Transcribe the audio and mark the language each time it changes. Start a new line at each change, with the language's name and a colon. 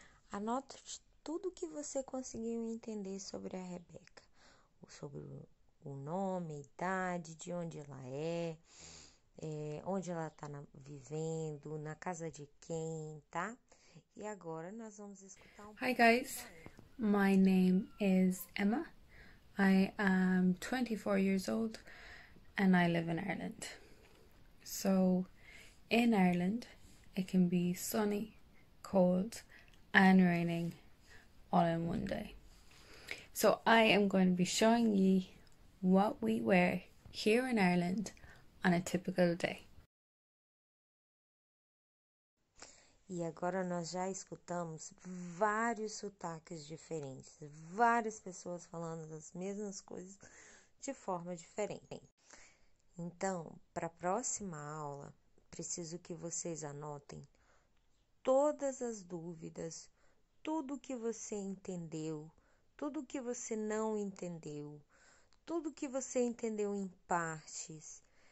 Portuguese: Anote tudo que você conseguiu entender sobre a Rebeca, sobre o nome, a idade, de onde ela é, onde ela está vivendo, na casa de quem, tá? E agora nós vamos escutar um...
English: Hi guys, my name is Emma, I am 24 years old and I live in Ireland. So, in Ireland, it can be sunny, cold, and raining all in one day. So I am going to be showing you what we wear here in Ireland on a typical day.
Portuguese: E agora nós já escutamos vários sotaques diferentes, várias pessoas falando as mesmas coisas de forma diferente. Então, para a próxima aula, preciso que vocês anotem todas as dúvidas, tudo que você entendeu, tudo que você não entendeu, tudo que você entendeu em partes.